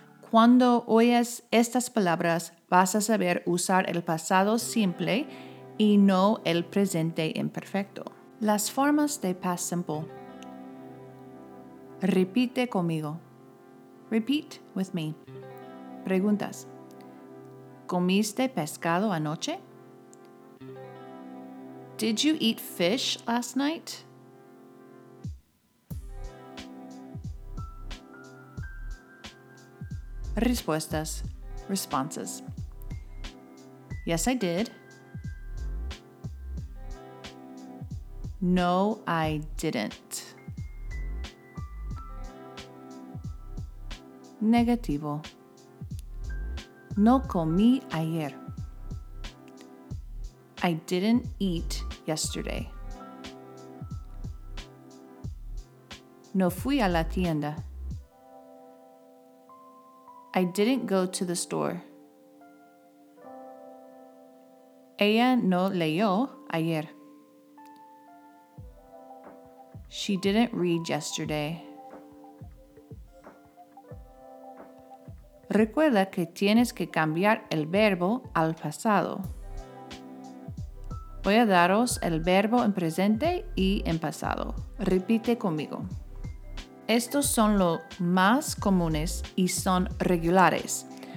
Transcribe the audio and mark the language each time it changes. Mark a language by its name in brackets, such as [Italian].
[Spanish] Cuando oyes estas palabras, vas a saber usar el pasado simple y no el presente imperfecto. Las formas de past simple. Repite conmigo. [English] Repeat with me. [Spanish] Preguntas. ¿Comiste pescado anoche? [English] Did you eat fish last night? [Spanish] Respuestas. [English] Responses. Yes, I did. No, I didn't. [Spanish] Negativo. No comí ayer. [English] I didn't eat yesterday. [Spanish] No fui a la tienda. [English] I didn't go to the store. [Spanish] Ella no leyó ayer. [English] She didn't read yesterday. [Spanish] Recuerda que tienes que cambiar el verbo al pasado. Voy a daros el verbo en presente y en pasado. Repite conmigo. Estos son los más comunes y son regulares.